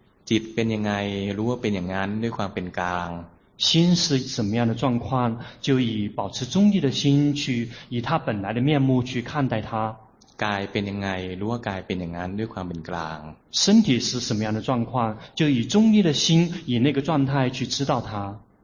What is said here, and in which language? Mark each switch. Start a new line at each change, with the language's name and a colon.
Thai: จิตเป็นยังไงรู้ว่าเป็นอย่างนั้นด้วยความเป็นกลาง
Chinese: 心是什么样的状况就以保持中立的心去以它本来的面目去看待它
Thai: กายเป็นยังไงรู้ว่ากายเป็นอย่างนั้นด้วยความเป็นกลาง
Chinese: 身体是什么样的状况就以中立的心以那个状态去知道它